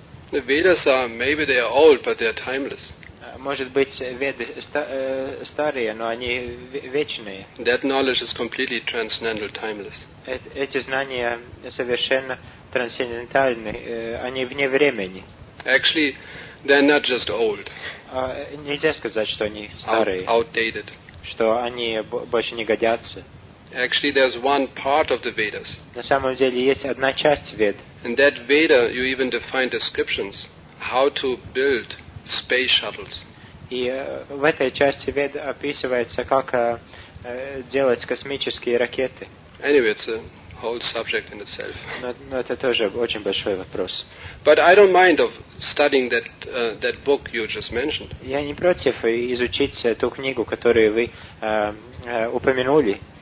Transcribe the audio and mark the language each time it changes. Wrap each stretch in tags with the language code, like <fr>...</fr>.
<en>The Vedas are, maybe they are old, but they are timeless.</en> <ru>Может быть, Веды старые, но они вечные.</ru> <en>That knowledge is completely transcendental, timeless.</en> <ru>Эти знания совершенно трансцендентальны, они вне времени.</ru> <en>Actually, they're not just old.</en> <ru>Нельзя сказать, что они старые.</ru> <en>Outdated.</en> <ru>Что они больше не годятся.</ru> <en>Actually, there's one part of the Vedas.</en> <ru>На самом деле есть одна часть Вед.</ru> <en>In that Veda, you even define descriptions how to build space shuttles.</en> <ru>И в этой части Вед описывается, как делать космические ракеты.</ru> <en>Anyway, it's a whole subject in itself.</en> <ru>Но это тоже очень большой вопрос.</ru> <en>But I don't mind of studying that that book you just mentioned.</en> <ru>Я не против изучить ту книгу, которую вы упомянули.</ru>